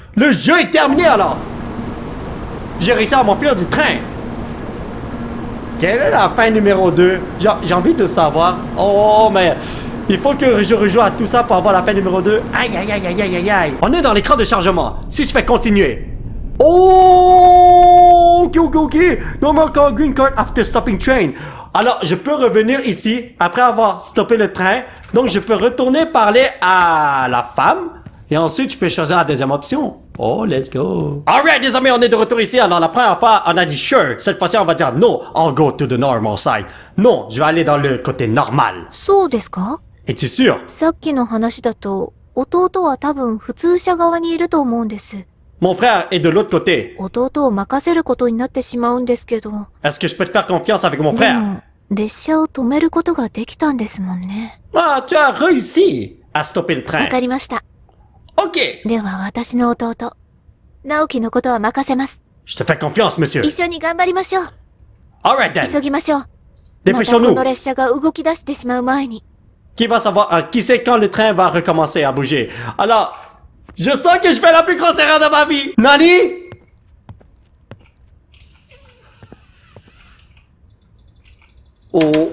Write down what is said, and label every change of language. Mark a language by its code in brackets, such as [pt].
[fr] Le jeu est terminé alors! J'ai réussi à m'enfuir du train! Quelle est la fin numéro 2? J'ai envie de savoir. Oh, mais il faut que je rejoue à tout ça pour avoir la fin numéro 2. Aïe! On est dans l'écran de chargement. Si je fais continuer. [en] Oh! Ok. No more green card after stopping train. [fr] alors je peux revenir ici après avoir stoppé le train. Donc je peux retourner parler à la femme et ensuite je peux choisir la deuxième option. Oh, [en] let's go. All right, [fr] les amis, on est de retour ici. Alors la première fois, on a dit sure. Cette fois-ci, on va dire [en] no, I'll go to the normal side. [fr] Non, je vais aller dans le côté normal. [ja] そうですか? [fr] Es-tu sûr? [ja] さっきの話だと、弟は多分普通車側にいると思うんです。 [fr] Mon frère est de l'autre côté. [ja] 弟を任せることになってしまうんですけど。 [fr] Est-ce que je peux te faire confiance avec mon frère? [ja] 列車を止めることができたんですもんね。 [fr] Ah, tu as réussi à stopper le train. [ja] わかりました。 [en] OK. [ja] では私の弟、直樹のことは任せます。 [fr] Je te fais confiance, monsieur. [ja] 一緒に頑張りましょう。 [en] All right then. [ja] 急ぎましょう。 [fr] Dépêchons-nous. [ja] また、この列車が動き出してしまう前に。 [fr] Qui va savoir, qui sait quand le train va recommencer à bouger? Alors, je sens que je fais la plus grosse erreur de ma vie. Nani? [en] Ok.